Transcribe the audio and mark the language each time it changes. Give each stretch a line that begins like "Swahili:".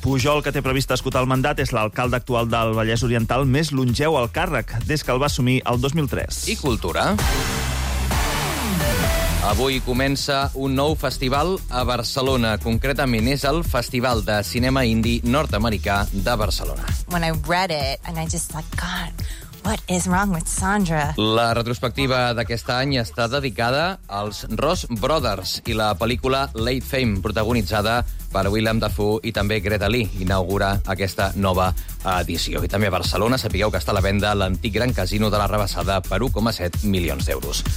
Catalan: Pujol, que té previst escoltar el mandat, és l'alcalde actual del Vallès Oriental més longeu al càrrec des que el va assumir el 2003. I cultura. Avui comença un nou festival a Barcelona. Concretament és el Festival de Cinema Indie Nord-Americà de Barcelona.
English: When I read it, and I just like, God, what is wrong with Sandra?
Catalan: La retrospectiva d'aquest any està dedicada als Ross Brothers i la pel·lícula Late Fame, protagonitzada per Willem Dafoe i també Greta Lee, inaugura aquesta nova edició. I també a Barcelona, sapigueu que està a la venda l'antic Gran Casino de la Rabassada per 1,7 milions d'euros.